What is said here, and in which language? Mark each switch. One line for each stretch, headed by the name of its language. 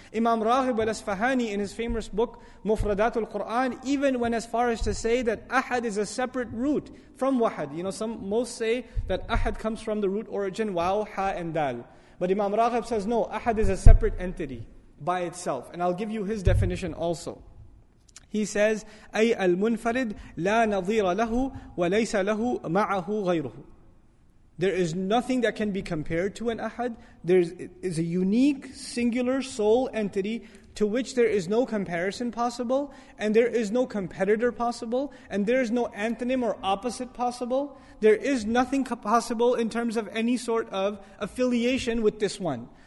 English: Imam Raghib al-Isfahani in his famous book, Mufradat al-Qur'an, even went as far as to say that ahad is a separate root from wahad. You know, most say that ahad comes from the root origin, waw, ha, and dal. But Imam Raghib says, no, ahad is a separate entity by itself. And I'll give you his definition also. He says,
Arabic: أي المنفرد لا نظير له وليس له معه غيره.
English: There is nothing that can be compared to an ahad. There is a unique, singular soul entity to which there is no comparison possible, and there is no competitor possible, and there is no antonym or opposite possible. There is nothing possible in terms of any sort of affiliation with this one.